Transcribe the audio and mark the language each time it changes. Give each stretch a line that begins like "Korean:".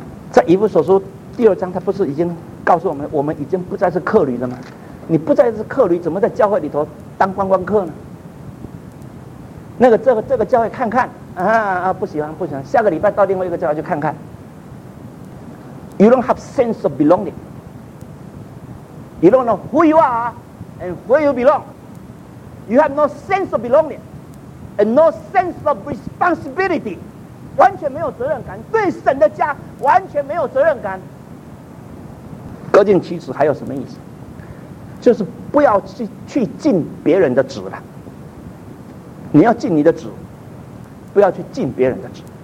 Chinese: 在以弗所书第二章，他不是已经告诉我们，我们已经不再是客旅了吗？你不再是客旅，怎么在教会里头当观光客呢？那个这个教会看看啊，不喜欢不喜欢，下个礼拜到另外一个教会去看看。
English: You don't have sense of belonging. You don't know who you are and where you belong. You have no sense of belonging and no sense of responsibility.
Chinese: 完全没有责任感，对神的家完全没有责任感。各尽其职还有什么意思？就是不要去尽别人的职了。你要尽你的职，不要去尽别人的职。